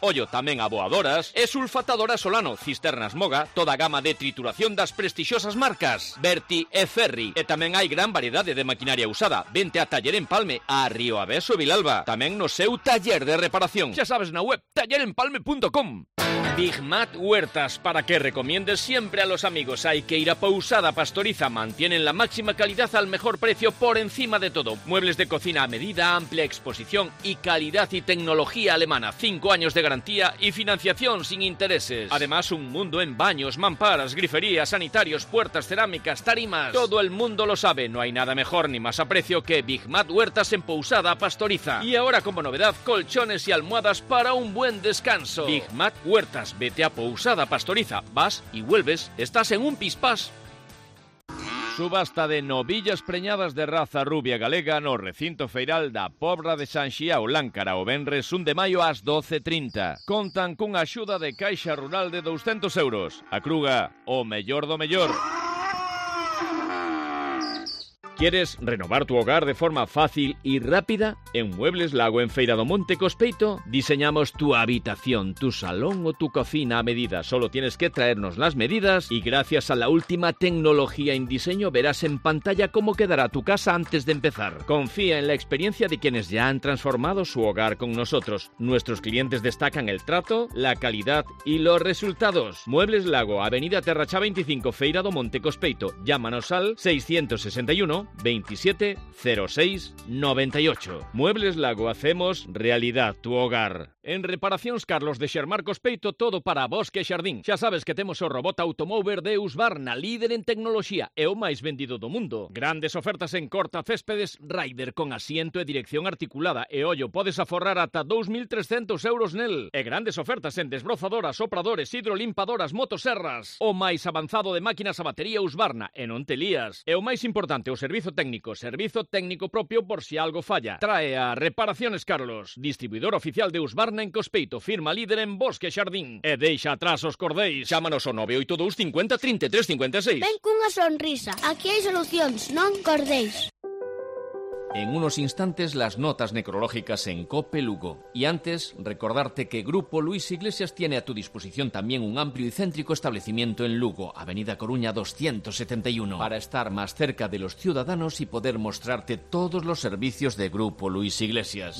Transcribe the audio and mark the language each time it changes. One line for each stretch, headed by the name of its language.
Galician: Ollo tamén a boadoras e sulfatadoras Solano, cisternas Moga, toda a gama de trituración das prestixiosas marcas, Berti e Ferri. E tamén hai gran variedade de maquinaria usada. Vente a Taller Empalme, a Río Aveso, Vilalba. Tamén no seu taller de reparación.
Spanish: Ya sabes,
Galician: na web tallerempalme.com.
Spanish: Big Mat Huertas, para que recomiendes siempre a los amigos. Hay que ir a Pousada Pastoriza. Mantienen la máxima calidad al mejor precio por encima de todo. Muebles de cocina a medida, amplia exposición y calidad y tecnología alemana. 5 años de garantía y financiación sin intereses. Además, un mundo en baños, mamparas, griferías, sanitarios, puertas, cerámicas, tarimas. Todo el mundo lo sabe. No hay nada mejor ni más a precio que Big Mat Huertas en Pousada Pastoriza. Y ahora, como novedad, colchones y almohadas para un buen descanso. Big Mat Huertas. Vete a Pousada Pastoriza. Vas y vuelves. Estás en un pispás.
Galician: Subasta de novillas preñadas de raza rubia galega no recinto feiral da Pobra de San Xiao, Láncara, o venres 1 de maio ás 12:30. Contan cunha axuda de Caixa Rural de 200 euros. A cruga, o mellor do mellor.
Spanish: ¿Quieres renovar tu hogar de forma fácil y rápida? En Muebles Lago, en Feira do Monte, Cospeito, diseñamos tu habitación, tu salón o tu cocina a medida. Solo tienes que traernos las medidas y gracias a la última tecnología en diseño verás en pantalla cómo quedará tu casa antes de empezar. Confía en la experiencia de quienes ya han transformado su hogar con nosotros. Nuestros clientes destacan el trato, la calidad y los resultados. Muebles Lago, Avenida Terracha 25, Feira do Monte, Cospeito. Llámanos al 661 27 06 98. Muebles Lago, hacemos realidad tu hogar.
Galician: En Reparacións Carlos de Xermar Cospeito, todo para bosque e xardín. Xa sabes que temos o robot Automover de Husqvarna, líder en tecnoloxía e o máis vendido do mundo. Grandes ofertas en corta céspedes Rider con asiento e dirección articulada e ollo, podes aforrar ata 2.300 euros nel. E grandes ofertas en desbrozadoras, sopradores, hidrolimpadoras, motoserras. O máis avanzado de máquinas a batería Husqvarna e non te lías. E o máis importante, o servicio técnico propio por si algo falla. Trae a Reparacións Carlos, distribuidor oficial de Husqvarna. Barna en Cospeito, firma líder en Bosque Xardín. E deixa atrás os cordéis. Chámanos ao 982-50-33-56. Ven cunha sonrisa. Aquí hai solucións, non cordéis.
Spanish: En unos instantes, las notas necrológicas en COPE Lugo. Y antes, recordarte que Grupo Luis Iglesias tiene a tu disposición también un amplio y céntrico establecimiento en Lugo, Avenida Coruña 271, para estar más cerca de los ciudadanos y poder mostrarte todos los servicios de Grupo Luis Iglesias.